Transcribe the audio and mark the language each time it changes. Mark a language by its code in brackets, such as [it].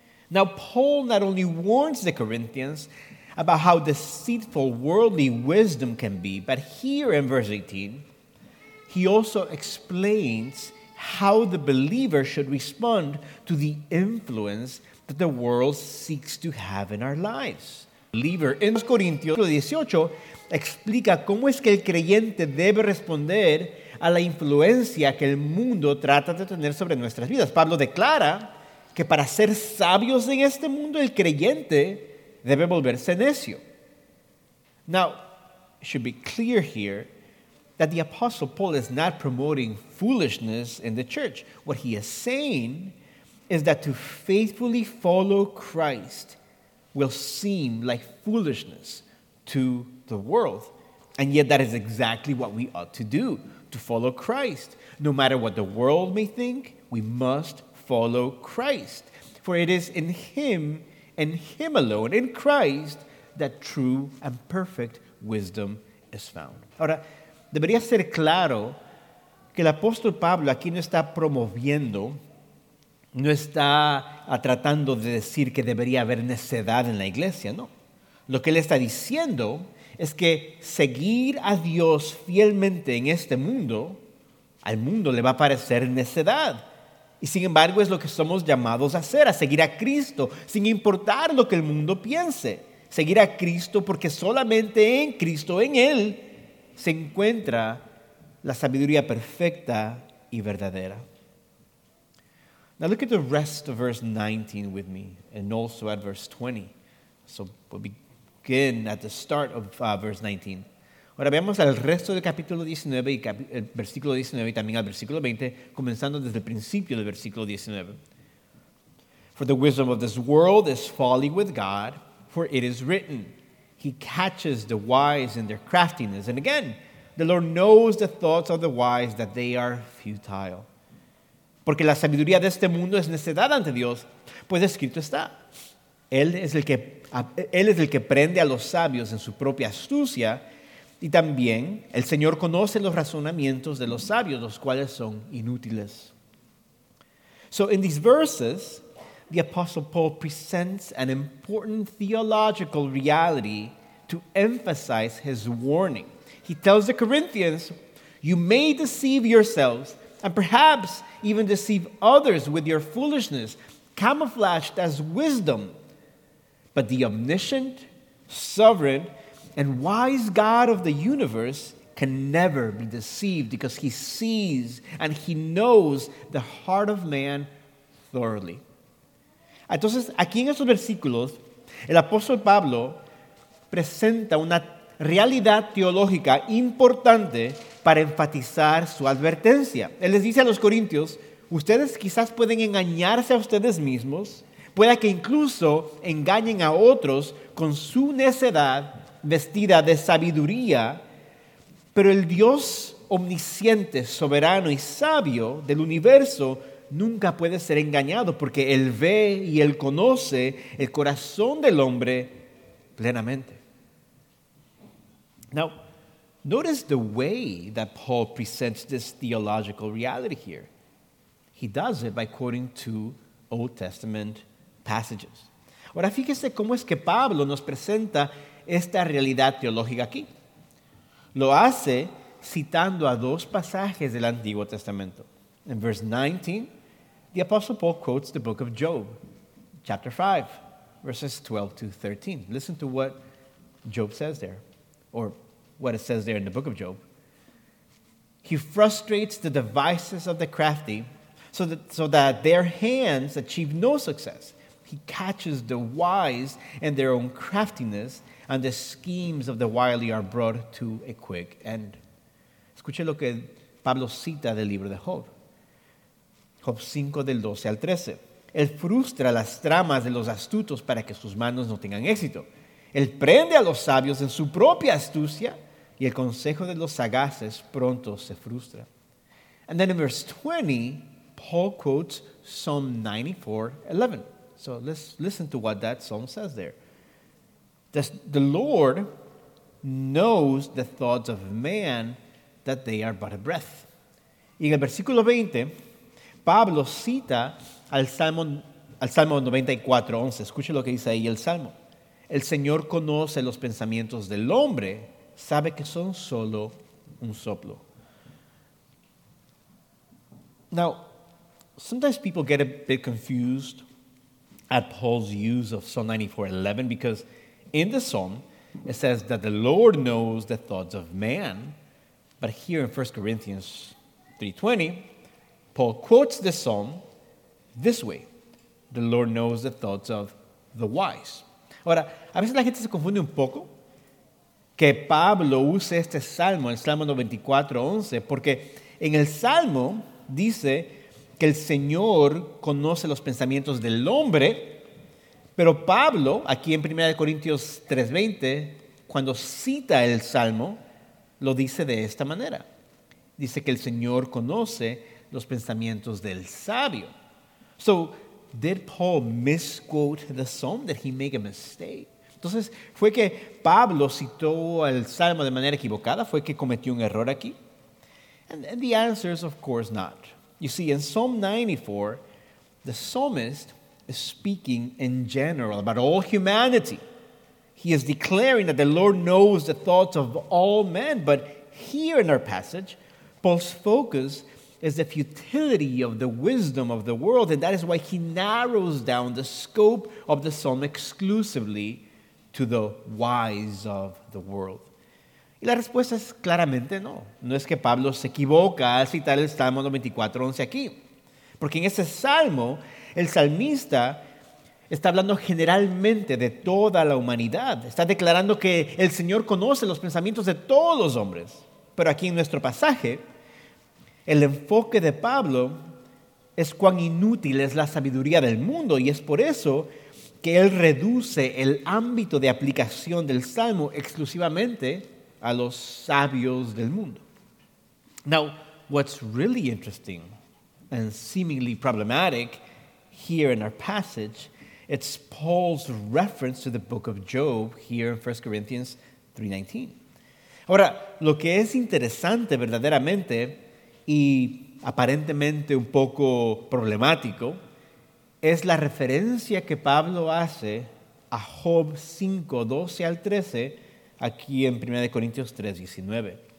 [en] Now, Paul not only warns the Corinthians about how deceitful worldly wisdom can be, but here in verse 18, he also explains how the believer should respond to the influence that the world seeks to have in our lives. [es] Believer in 1 Corinthians 18 explica cómo es que el creyente debe responder a la influencia que el mundo trata de tener sobre nuestras vidas. Pablo declara que para ser sabios en este mundo, el creyente debe volverse necio. [en] Now, it should be clear here that the Apostle Paul is not promoting foolishness in the church. What he is saying is that to faithfully follow Christ will seem like foolishness to the world. And yet that is exactly what we ought to do, to follow Christ. No matter what the world may think, we must follow Christ. For it is in Him and Him alone, in Christ, that true and perfect wisdom is found. [es] Ahora, debería ser claro que el apóstol Pablo aquí no está promoviendo, no está tratando de decir que debería haber necedad en la iglesia, no. Lo que él está diciendo es que seguir a Dios fielmente en este mundo, al mundo le va a parecer necedad. Y sin embargo es lo que somos llamados a hacer, a seguir a Cristo, sin importar lo que el mundo piense. Seguir a Cristo porque solamente en Cristo, en Él, se encuentra la sabiduría perfecta y verdadera. [en] Now look at the rest of verse 19 with me, and also at verse 20. So we'll begin at the start of verse 19. [es] Ahora veamos al resto del capítulo 19 y el versículo 19 y también al versículo 20, comenzando desde el principio del versículo 19. [en] For the wisdom of this world is folly with God, for it is written, He catches the wise in their craftiness. And again, the Lord knows the thoughts of the wise, that they are futile. [es] Porque la sabiduría de este mundo es necedad ante Dios, pues escrito está. Él es el que prende a los sabios en su propia astucia, y también el Señor conoce los razonamientos de los sabios, los cuales son inútiles. [en] So in these verses, the Apostle Paul presents an important theological reality to emphasize his warning. He tells the Corinthians, you may deceive yourselves and perhaps even deceive others with your foolishness, camouflaged as wisdom. But the omniscient, sovereign, and wise God of the universe can never be deceived because he sees and he knows the heart of man thoroughly. [es] Entonces, aquí en estos versículos, el apóstol Pablo presenta una realidad teológica importante para enfatizar su advertencia. Él les dice a los corintios, ustedes quizás pueden engañarse a ustedes mismos, pueda que incluso engañen a otros con su necedad vestida de sabiduría, pero el Dios omnisciente, soberano y sabio del universo nunca puede ser engañado porque Él ve y Él conoce el corazón del hombre plenamente. [en] Now, notice the way that Paul presents this theological reality here. He does it by quoting two Old Testament passages. [es] Ahora, fíjese cómo es que Pablo nos presenta esta realidad teológica aquí. Lo hace citando a dos pasajes del Antiguo Testamento. [en] En verse 19, the Apostle Paul quotes the book of Job, chapter 5, verses 12 to 13. Listen to what Job says there, or what it says there in the book of Job. He frustrates the devices of the crafty so that their hands achieve no success. He catches the wise in their own craftiness, and the schemes of the wily are brought to a quick end. [es] Escuche lo que Pablo cita del libro de Job. Job 5, del 12 al 13. Él frustra las tramas de los astutos para que sus manos no tengan éxito. Él prende a los sabios en su propia astucia, y el consejo de los sagaces pronto se frustra. [en] And then in verse 20, Paul quotes Psalm 94:11. So let's listen to what that psalm says there. The Lord knows the thoughts of man, that they are but a breath. [es] Y en el versículo 20, Pablo cita al Salmo 94:11. Escuche lo que dice ahí el Salmo. El Señor conoce los pensamientos del hombre, sabe que son solo un soplo. [en] Now, sometimes people get a bit confused at Paul's use of Psalm 94:11 because in the psalm, it says that the Lord knows the thoughts of man, but here in 1 Corinthians 3:20, Paul quotes the psalm this way, the Lord knows the thoughts of the wise. [es] Ahora, a veces la gente se confunde un poco que Pablo use este salmo, el Salmo 94:11, porque en el salmo dice que el Señor conoce los pensamientos del hombre, pero Pablo, aquí en 1 Corintios 3:20, cuando cita el salmo, lo dice de esta manera. Dice que el Señor conoce los pensamientos del sabio. [en] So, did Paul misquote the psalm? Did he make a mistake? [es] Entonces, ¿fue que Pablo citó el salmo de manera equivocada? ¿Fue que cometió un error aquí? [en] And the answer is, of course, not. You see, in Psalm 94, the psalmist is speaking in general about all humanity. He is declaring that the Lord knows the thoughts of all men. But here in our passage, Paul's focus is the futility of the wisdom of the world, and that is why he narrows down the scope of the psalm exclusively to the wise of the world. [es] Y la respuesta es claramente no. No es que Pablo se equivoca al citar el Salmo 94:11 aquí. Porque en ese salmo, el salmista está hablando generalmente de toda la humanidad. Está declarando que el Señor conoce los pensamientos de todos los hombres. Pero aquí en nuestro pasaje, el enfoque de Pablo es cuán inútil es la sabiduría del mundo. Y es por eso que él reduce el ámbito de aplicación del salmo exclusivamente a los sabios del mundo. [en] Now, what's really interesting and seemingly problematic here in our passage, it's Paul's reference to the book of Job here in 1 Corinthians 3:19. [es] Ahora, lo que es interesante verdaderamente y aparentemente un poco problemático es la referencia que Pablo hace a Job 5:12 al 13 aquí en 1 Corintios 3:19.